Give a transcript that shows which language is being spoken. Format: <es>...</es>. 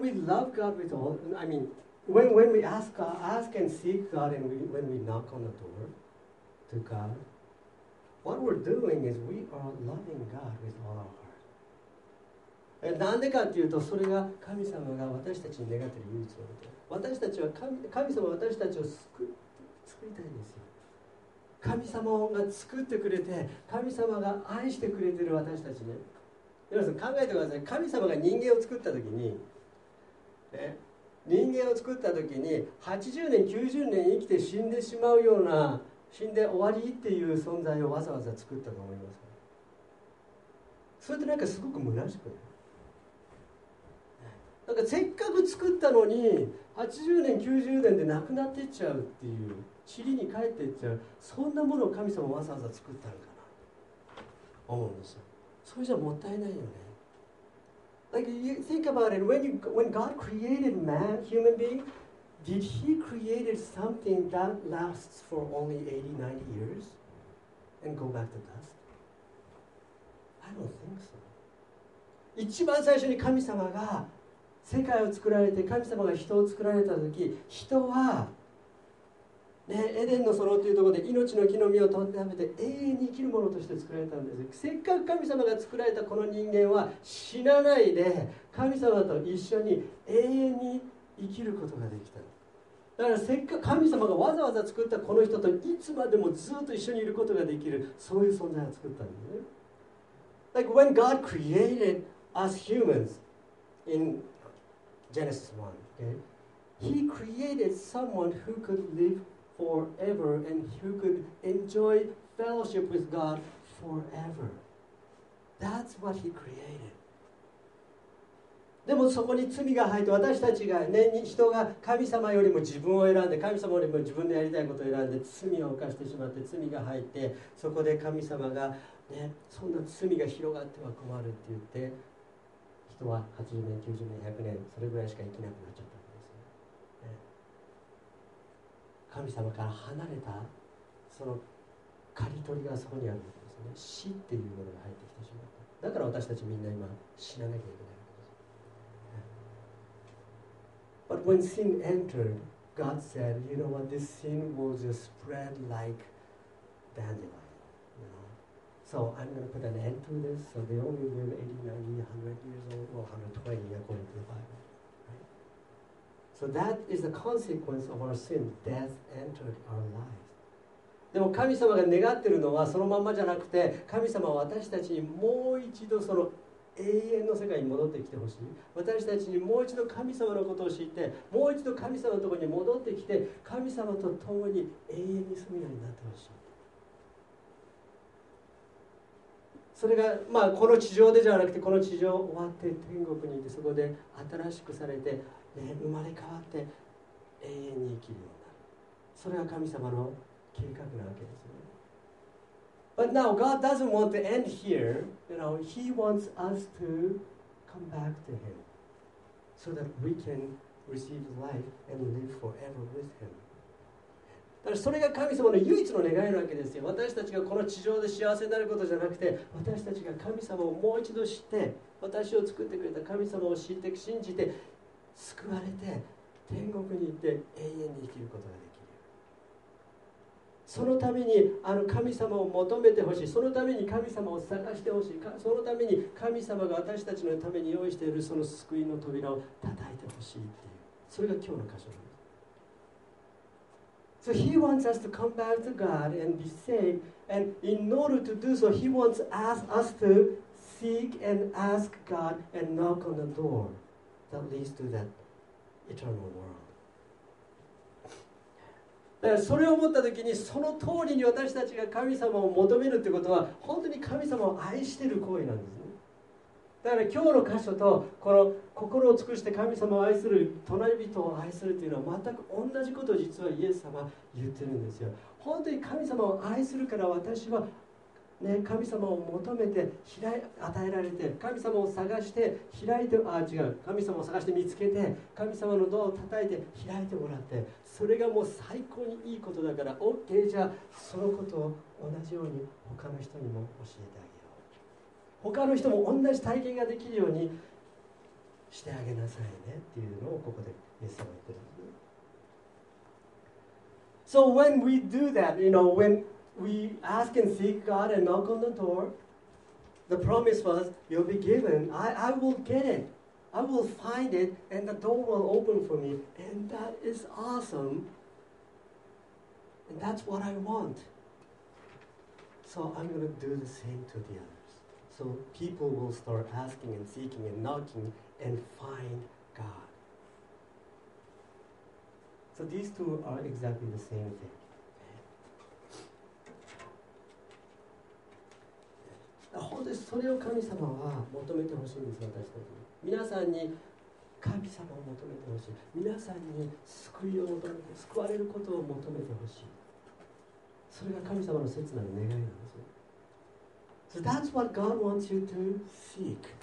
<en>When we love God with all, I mean, when we ask, ask and seek God, and we, when we knock on the door to God, what we're doing is we are loving God with all our heart.</en> <ja>なんでかっていうと、それが神様が私たちに願っている唯一のこと。私たちは 神様は私たちを救いたいんですよ。神様が作ってくれて、神様が愛してくれている私たちね。皆さん考えてください。神様が人間を作った時に、ね、人間を作った時に80年90年生きて死んでしまうような、死んで終わりっていう存在をわざわざ作ったと思いますか。それってなんかすごく虚しくない？なんかせっかく作ったのに80年90年で亡くなっていっちゃうっていう、塵に帰っていっちゃう、そんなものを神様わざわざ作ったのかなと思うんですよ。それじゃもったいないよね。</ja> <en>Like you think about it, when God created man, human being, did he create something that lasts for only 80, 90 years and go back to dust? I don't think so.</en> <ja>一番最初に神様が世界を作られて、神様が人を作られた時、人は、ね、エデンの園というところで命の木の実を食べて永遠に生きるものとして作られたんです。せっかく神様が作られたこの人間は死なないで神様と一緒に永遠に生きることができた。だからせっかく神様がわざわざ作ったこの人といつまでもずっと一緒にいることができる、そういう存在を作ったんですね。</ja> <en>Like when God created us humans in Genesis 1, okay? He created someone who could liveForever and who could enjoy fellowship with God forever. That's what He created.</en> <ja>でもそこに罪が入って、私たちが、ね、人が神様よりも自分を選んで、神様よりも自分のやりたいことを選んで罪を犯してしまって、罪が入って、そこで神様が、ね、そんな罪が広がっては困るって言って、人は80年90年100年それぐらいしか生きなくなっちゃった。神様から離れたその刈り取りがそこにあるんですね。死っていうものが入ってきてしまった。だから私たちみんな今死ななきゃいけないわけです。</ja> <en>But when sin entered, God said, you know what, this sin will just spread like dandelion. You know? So I'm going to put an end to this, so they only live 80, 90, 100 years old, or 120 according to the Bible. So that is the consequence of our sin. Death entered our life.</en> <ja>でも神様が願ってるのはそのままじゃなくて、神様は私たちにもう一度その永遠の世界に戻ってきてほしい。私たちにもう一度神様のことを知って、もう一度神様のところに戻ってきて、神様と共に永遠に住むようになってほしい。それが、まあ、この地上でじゃなくて、この地上終わって天国に行って、そこで新しくされて、ね、生まれ変わって永遠に生きるようになる。それが神様の計画なわけですよね。</ja> <en>But now God doesn't want to end here. You know, He wants us to come back to Him so that we can receive life and live forever with Him.</en> <ja>だからそれが神様の唯一の願いなわけですよ。私たちがこの地上で幸せになることじゃなくて、私たちが神様をもう一度知って、私を作ってくれた神様を知って信じて救われて天国に行って永遠に生きることができる。そのためにあの神様を求めてほしい。そのために神様を探してほしい。そのために神様が私たちのために用意しているその救いの扉を叩いてほしいっていう、それが今日の箇所です。</ja> <en>So he wants us to come back to God and be saved. And in order to do so, he wants us to seek and ask God and knock on the door that leads to that eternal world.</en> <ja>だからそれを思った時に、その通りに私たちが神様を求めるってことは、本当に神様を愛している行為なんですね。だから今日の箇所とこの心を尽くして神様を愛する、隣人を愛するというのは全く同じことを実はイエス様は言ってるんですよ。本当に神様を愛するから私はね、神様を求めて与えられて、神様を探して開いて、あ、違う、神様を探して見つけて、神様のドアを叩いて開いてもらって、それがもう最高にいいことだから、 OK、 じゃあそのことを同じように他の人にも教えてあげよう、他の人も同じ体験ができるようにしてあげなさいねっていうのをここでイエス様が言ってるんです。</ja> <en>So when we do that, you know, when we ask and seek God and knock on the door, the promise was, you'll be given, I will get it, I will find it, and the door will open for me, and that is awesome, and that's what I want. So I'm going to do the same to the others. So people will start asking and seeking and knocking and find God. So these two are exactly the same thing.</en> <ja>それを神様は求めてほしいんです、私たちに。皆さんに神様を求めてほしい。皆さんに救いを求めて、救われることを求めてほしい。それが神様の切なる願いなんです。</ja> <en>So that's what God wants you to seek.</en>